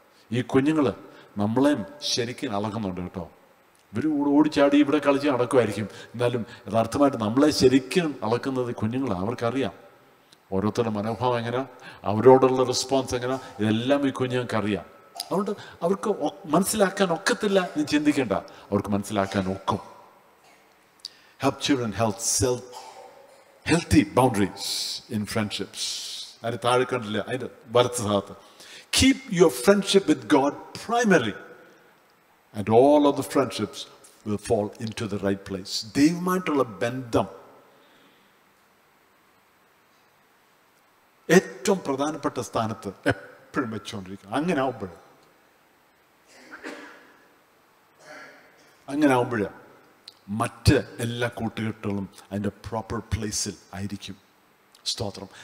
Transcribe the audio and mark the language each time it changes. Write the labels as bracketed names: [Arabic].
[Malayalam] ഈ കുഞ്ഞുങ്ങൾ നമ്മളെയും ശരിക്കും അളക്കുന്നുണ്ട് കേട്ടോ. ഇവർ ഓടിച്ചാടി ഇവിടെ കളിച്ച് നടക്കുമായിരിക്കും, എന്നാലും യഥാർത്ഥമായിട്ട് നമ്മളെ ശരിക്കും അളക്കുന്നത് കുഞ്ഞുങ്ങളാണ്. അവർക്കറിയാം ഓരോരുത്തരുടെ മനോഭാവം എങ്ങനെയാണ്, അവരോടുള്ള റെസ്പോൺസ് എങ്ങനെയാണ്, ഇതെല്ലാം ഈ കുഞ്ഞുങ്ങൾക്കറിയാം. അതുകൊണ്ട് അവർക്ക് മനസ്സിലാക്കാൻ ഒക്കത്തില്ല എന്ന് ചിന്തിക്കേണ്ട, അവർക്ക് മനസ്സിലാക്കാൻ ഒക്കും. [English] Help children help self healthy boundaries in friendships. [Malayalam] അതിന് താഴെ കണ്ടില്ല, അതിന്റെ വലത്ത് ഭാഗത്ത്. [English] Keep your friendship with God primary and all other friendships will fall into the right place. [Malayalam] ദൈവമായിട്ടുള്ള ബന്ധം ഏറ്റവും പ്രധാനപ്പെട്ട സ്ഥാനത്ത് എപ്പോഴും വെച്ചുകൊണ്ടിരിക്കുക. അങ്ങനാവുമ്പോഴേ മറ്റ് എല്ലാ കൂട്ടുകെട്ടുകളും അതിൻ്റെ [English] proper പ്ലേസിൽ [Malayalam] ആയിരിക്കും. സ്തോത്രം.